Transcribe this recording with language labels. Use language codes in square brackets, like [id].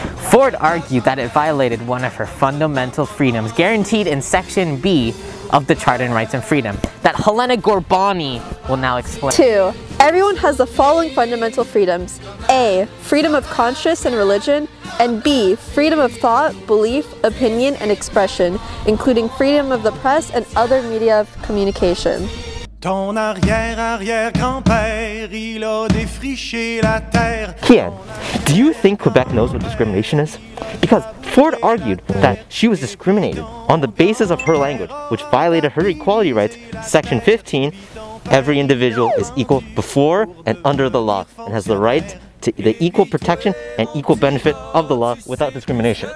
[en] Ford argued that it violated one of her fundamental freedoms guaranteed in section B of the Charter of Rights and Freedom that Helena Gorbani will now explain. Two, everyone has the following fundamental freedoms. A, freedom of conscience and religion, and B, freedom of thought, belief, opinion, and expression, including freedom of the press and other media of communication. [fr] Ton arrière-arrière-grand-père, il a défriché la terre. [en] Kian, do you think Quebec knows what discrimination is? Because Ford argued that she was discriminated on the basis of her language, which violated her equality rights, section 15, every individual is equal before and under the law, and has the right to the equal protection and equal benefit of the law without discrimination.